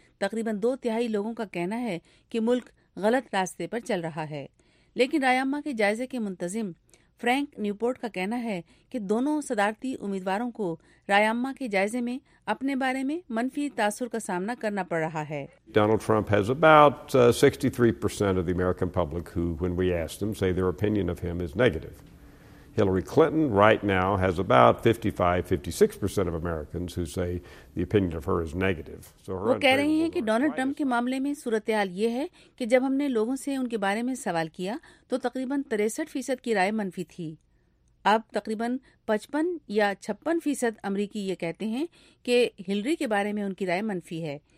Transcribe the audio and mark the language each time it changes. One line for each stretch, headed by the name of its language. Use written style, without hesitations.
Urdu: تقریباً 2/3 لوگوں کا کہنا ہے کہ ملک غلط راستے پر چل رہا ہے, لیکن رائیاما کے جائزے کے منتظم فرینک نیوپورٹ کا کہنا ہے کہ دونوں صدارتی امیدواروں کو رائیاما کے جائزے میں اپنے بارے میں منفی تاثر کا سامنا کرنا پڑ رہا ہے.
English: Donald Trump has about 63% of the American public who, when we ask them, say their opinion of him is negative. Hillary Clinton right now has about 55-56% of Americans who say the opinion of her is negative.
Urdu: So وہ کہہ رہی ہیں کہ Donald Trump کے معاملے میں صورتحال یہ ہے کہ جب ہم نے لوگوں سے ان کے بارے میں سوال کیا تو تقریباً 63% کی رائے منفی تھی. اب تقریباً 55 یا 56% امریکی یہ کہتے ہیں کہ ہلری کے بارے میں ان کی رائے منفی ہے.